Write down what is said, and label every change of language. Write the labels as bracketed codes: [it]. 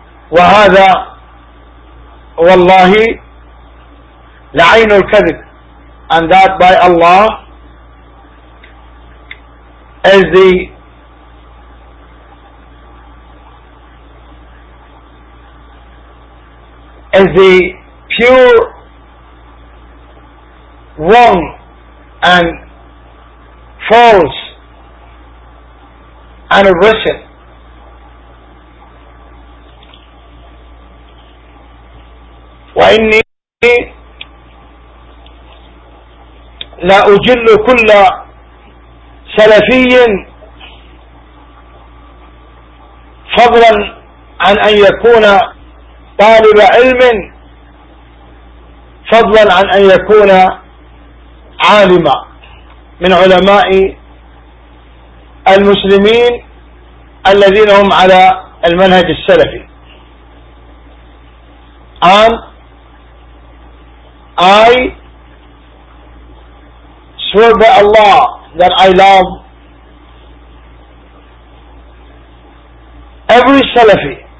[ar] وهذا والله لعين الكذب, [en] and that by Allah is the pure wrong and false and aggression. [ar] وإني لا أجل كل سلفي فضلا عن أن يكون طالب علم فضلا عن أن يكون عالما من علماء المسلمين الذين هم على المنهج السلفي. [en] And I swear by Allah that I love every Salafi.